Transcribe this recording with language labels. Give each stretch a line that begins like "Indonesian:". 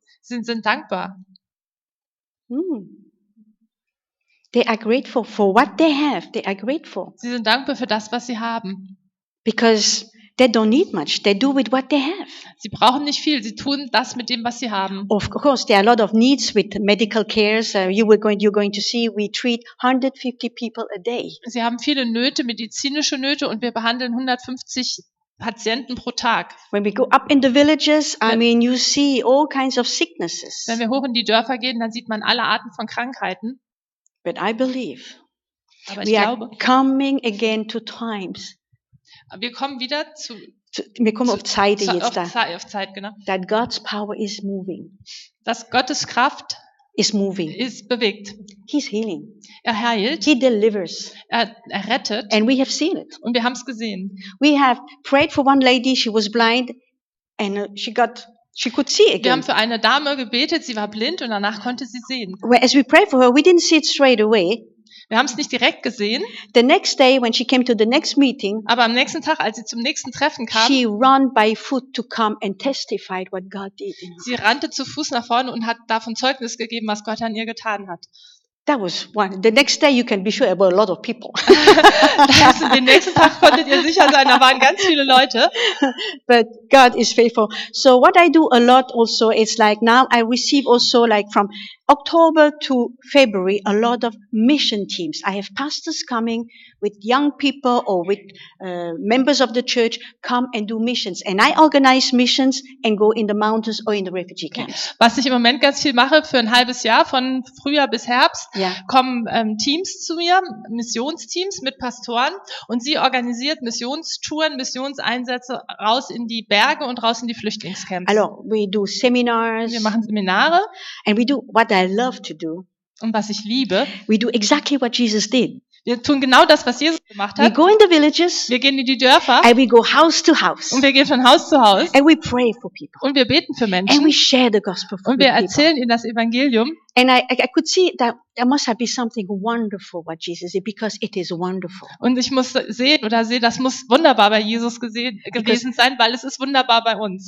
German: Sind dankbar.
English: They are grateful for what they have. They are grateful.
German: Sie sind dankbar für das, was sie haben.
English: Because they don't need much. They do with what they have.
German: Sie brauchen nicht viel. Sie tun das mit dem, was sie haben.
English: Of course, there are a lot of needs with medical cares. You're going to see, we treat 150 people a day.
German: Sie haben viele Nöte, medizinische Nöte, und wir behandeln 150 Patienten pro Tag.
English: When we go up in the villages, I mean, you see all kinds of sicknesses.
German: Wenn wir hoch in die Dörfer gehen, dann sieht man alle Arten von Krankheiten.
English: But I believe,
German: aber ich
English: we
German: glaube,
English: are coming again to times.
German: Wir kommen wieder zu. Wir kommen auf Zeit, genau.
English: That God's power is moving.
German: Dass Gottes Kraft
English: is moving.
German: Ist bewegt.
English: He's healing.
German: Er heilt.
English: He delivers.
German: Er rettet.
English: And we have seen it.
German: Und wir haben es gesehen.
English: We have prayed for one lady. She was blind, and she got. She could see again.
German: Wir haben für eine Dame gebetet, sie war blind und danach konnte sie sehen.
English: As we prayed for her, we didn't see it straight away.
German: Wir haben es nicht direkt gesehen.
English: The next day when she came to the next meeting,
German: aber am nächsten Tag, als sie zum nächsten Treffen kam,
English: she ran by foot to come and testified what God did in her.
German: Sie rannte zu Fuß nach vorne und hat davon Zeugnis gegeben, was Gott an ihr getan hat.
English: That was one. The next day you can be sure about a lot of people.
German: Das, den nächsten Tag konntet ihr sicher sein, da waren ganz viele Leute.
English: But God is faithful. So what I do a lot also is like now I receive also like from October to February a lot of mission teams. I have pastors coming with young people or with members of the church come and do missions. And I organize missions and go in the mountains or in the refugee camps.
German: Was ich im Moment ganz viel mache, für ein halbes Jahr von Frühjahr bis Herbst, yeah, kommen Teams zu mir, Missionsteams mit Pastoren, und sie organisiert Missionstouren, Missionseinsätze raus in die Berge und raus in die Flüchtlingscamps.
English: Also, we do seminars.
German: Wir machen Seminare.
English: And we do what I love to do.
German: Und was ich liebe.
English: We do exactly what Jesus did.
German: Wir tun genau das, was Jesus gemacht hat.
English: We go in the villages.
German: Wir gehen in die Dörfer.
English: And we go house to house.
German: Und wir gehen von Haus zu Haus.
English: And we pray for people.
German: Und wir beten für Menschen.
English: And we share the gospel
German: for Und wir erzählen ihnen das Evangelium.
English: And I could see that there must have been something wonderful what Jesus did, because it is wonderful.
German: Und ich muss sehen oder sehe, das muss wunderbar bei Jesus gewesen sein, weil es ist wunderbar bei uns.